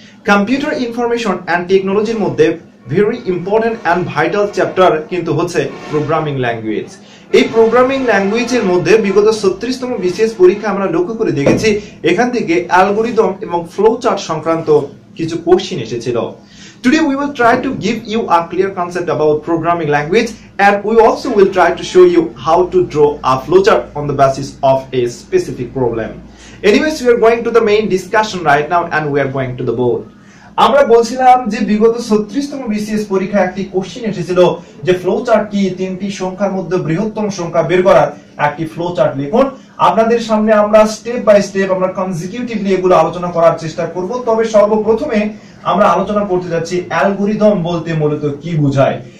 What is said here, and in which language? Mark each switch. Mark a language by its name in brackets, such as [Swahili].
[Bangla] Computer information and টেকনোলজির মধ্যে [English] very important and vital [Bangla] chapter কিন্তু হচ্ছে প্রোগ্রামিং ল্যাঙ্গুয়েজ। এই প্রোগ্রামিং ল্যাঙ্গুয়েজের মধ্যে বিগত 36তম বিসিএস পরীক্ষা আমরা লক্ষ্য করে দেখেছি এখান থেকে অ্যালগোরিদম এবং ফ্লো চার্ট সংক্রান্ত কিছু কোশ্চিন এসেছিল। [English] Today we will try to give you a clear concept about programming language and we also will try to show you how to draw a flowchart on the basis of a specific problem. Anyways, we are going to the main discussion right now and we are going to the board. [Bangla] আমরা বলছিলাম যে বিগত 36তম BCS পরীক্ষায় একটি question এসেছিল যে flowchart কি, তিনটি সংখ্যার মধ্যে বৃহত্তম সংখ্যা বের করার একটি ফ্লোচার্ট লিখুন। আপনাদের সামনে আমরা স্টেপ বাই স্টেপ আমরা কনসিকিউটিভলি এগুলো আলোচনা করার চেষ্টা করব। তবে সর্বপ্রথমে আমরা আলোচনা করতে যাচ্ছি অ্যালগোরিদম বলতে মূলত কি বোঝায়।